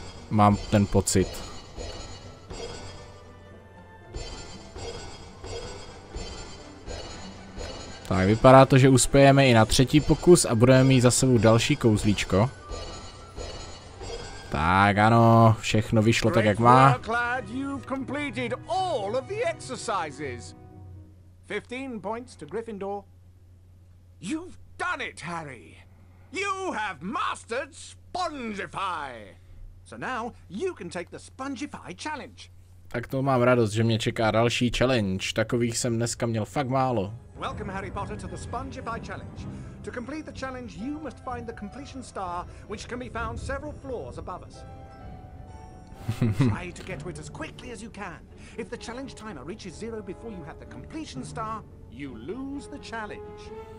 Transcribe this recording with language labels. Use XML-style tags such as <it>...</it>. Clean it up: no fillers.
<cs>Mám ten pocit. Tak, vypadá to, že uspějeme i na třetí pokus a budeme mít za sebou další kouzlíčko. Tak ano, všechno vyšlo tak, jak má.</cs> <en>Completed all of the exercises. 15 points to Gryffindor. You've done it, Harry. You have mastered Spongify. So now you can take the Spongify challenge.</en> <cs>Tak to mám radost, že mě čeká další challenge. Takových jsem dneska měl fakt málo.</cs> <en>Welcome Harry Potter to the Spongify challenge. To complete the challenge, you must find the completion star, which can be found several floors above us. Try to get to it as quickly as you can. If the challenge timer reaches zero before you have the completion star, you lose the challenge.</en>